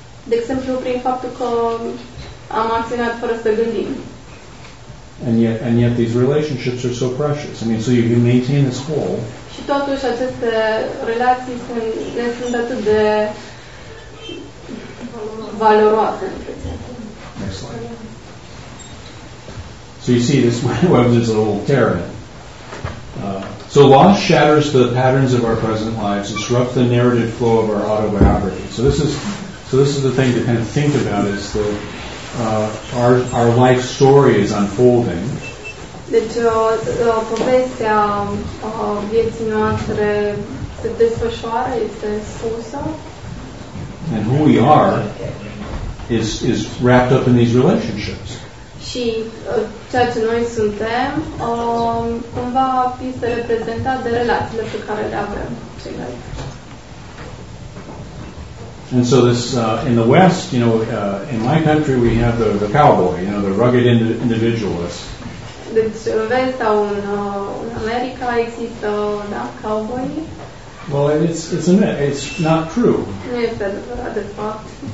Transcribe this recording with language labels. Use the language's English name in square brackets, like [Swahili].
[Romanian] De exemplu, prin faptul că am acționat fără să gândim. [English] And yet these relationships are so precious. I mean, so you maintain this whole. [Romanian] Și totuși aceste relații sunt atât de valoroase. [English] Next slide. So you see, this web is a little tearing. So loss shatters the patterns of our present lives, disrupts the narrative flow of our autobiography. So this is the thing to kind of think about is that our life story is unfolding. [Romanian] Deci, povestea vieții noastre se desfășoară, este spusă. [English] And who we are is wrapped up in these relationships. [Romanian] Și ceea ce noi suntem, cumva este reprezentat de relațiile pe care le avem ceilalți. [English] And so this, in the West, you know, in my country, we have the cowboy, you know, the rugged individualist. [Romanian] Deci, în vest sau în America există, da, cowboy? [English] Well, it's a myth. It's not true. [Romanian] Nu este adevărat, de fapt.